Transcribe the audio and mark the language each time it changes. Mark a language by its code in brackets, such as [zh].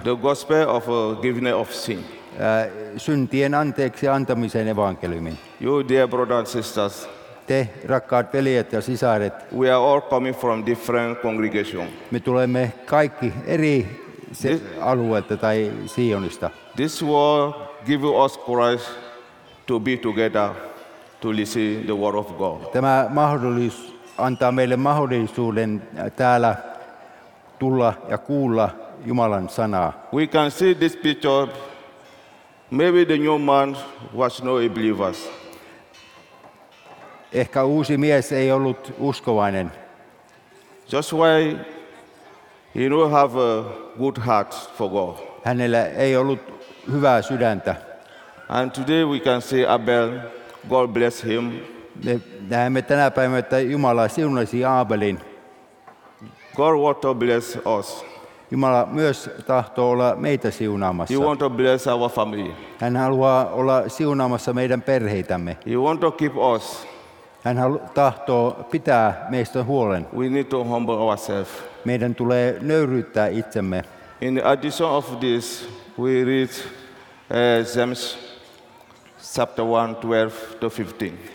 [en] The gospel of giving of sin. [fi] Syntien anteeksi antamisen evankeliumi. [en] You dear brothers and sisters. [fi] Te rakkaat veljet ja sisaret. [en] We are all coming from different congregation. [fi] Me tulemme kaikki eri alueelta tai Sionista. [en] This will give us courage to be together to listen the word of God. [fi] Tämä mahdollisuus antaa meille mahdollisuuden täällä tulla ja kuulla Jumalan sanaa. [en] We can see this picture. Maybe the new man was no believer. [fi] Ehkä uusi mies ei ollut uskovainen. [en] Just why he don't have a good heart for God. [fi] Hänellä ei ollut hyvää sydäntä. [en] And today we can see Abel, God bless him. [fi] Me näemme tänä päivänä, että Jumala siunasi Abelin. [en] God want to bless us. [fi] Jumala myös tahtoo olla meitä siunaamassa. [en] He want to bless our family. [fi] Hän haluaa olla siunaamassa meidän perheitämme. [en] He want to keep us. [fi] Hän tahtoo pitää meistä huolen. [en] We need to humble ourselves. [fi] Meidän tulee nöyryyttää itsemme. [en] In addition of this, we read James chapter 1, 12 to 15.